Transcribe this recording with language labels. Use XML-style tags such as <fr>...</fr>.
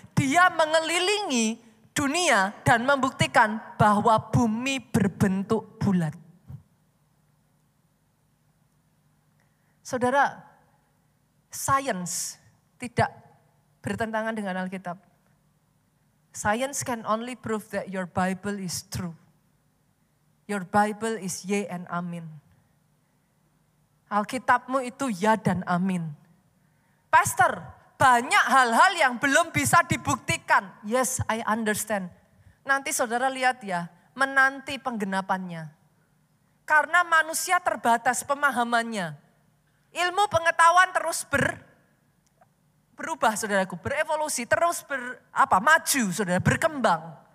<id>Dia mengelilingi dunia dan membuktikan bahwa bumi berbentuk bulat. Saudara, sains tidak bertentangan dengan Alkitab.</id> <en>Science can only prove that your Bible is true. Your Bible is yea and amen.</en> <id>Alkitabmu itu ya dan amin. Pastor, banyak hal-hal yang belum bisa dibuktikan. Yes, I understand. Nanti saudara lihat ya, menanti penggenapannya. Karena manusia terbatas pemahamannya. Ilmu pengetahuan terus berubah, saudaraku, berevolusi, terus maju, saudara, berkembang.</id>